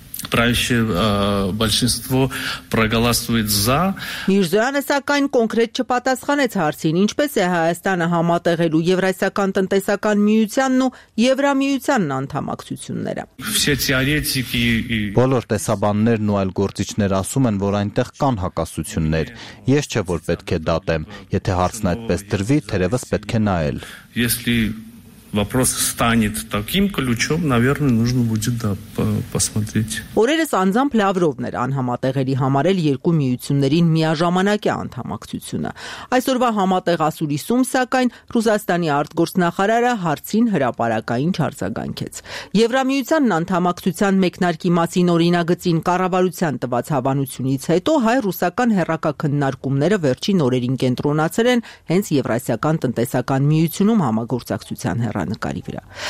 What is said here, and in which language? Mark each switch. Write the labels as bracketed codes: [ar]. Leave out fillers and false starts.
[ru] Правящее большинство проголосует за. [hy] Միրզոյանը սակայն կոնկրետ չպատասխանեց հարցին, ինչպես է Հայաստանը համատեղելու Եվրասիական տնտեսական միությանն ու Եվրամիությանն անդամակցությունները։ [ru] Все теоретики и [hy] Բոլոր տեսաբաններն ու այլ գործիչներ ասում են, որ այնտեղ կան հակասություններ։ Ես չէ, որ պետք է դատեմ, եթե հարցն այդպես դրվի, թերևս պետք է նայել։ [ru] Если вопрос станет таким ключом, наверное, нужно будет да посмотреть. [hy] Օրերս անձամբ Լավրովն էր անհամատեղելի համարել երկու միություններին միաժամանակի անդամակցությունը։ Այսօրվա համատեղասուրիսում, սակայն, Ռուսաստանի արտգործնախարարը հարցին հրապարակային չարձագանքեց։ Եվրամիությանն անդամակցության մեկնարկի մասին օրինագծին կառավարության տված հավանությունից հետո հայ-ռուսական հերակակննարկումները վերջին օրերին կենտրոնացել են հենց Եվրասիական տնտեսական միությունում համագործակցության հեռանկարի վրա։